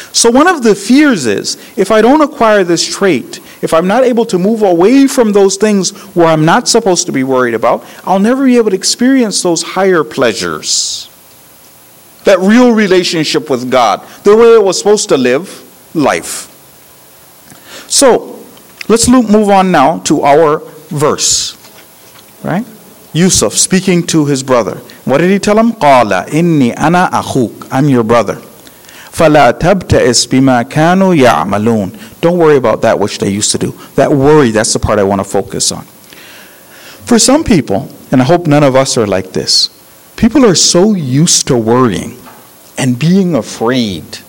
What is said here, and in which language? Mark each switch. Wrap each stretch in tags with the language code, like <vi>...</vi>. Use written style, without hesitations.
<en>So one of the fears is, if I don't acquire this trait, if I'm not able to move away from those things where I'm not supposed to be worried about, I'll never be able to experience those higher pleasures. That real relationship with God, the way it was supposed to live life. So, let's move on now to our verse. Right? Yusuf speaking to his brother. What did he tell him?</en> <ar>قَالَ إِنِّي أَنَا أَخُوكَ</ar> <en>I'm your brother.</en> <ar>فَلَا تَبْتَئِسْ بِمَا كَانُوا يَعْمَلُونَ</ar> <en>Don't worry about that which they used to do. That worry, that's the part I want to focus on. For some people, and I hope none of us are like this, people are so used to worrying and being afraid.</en>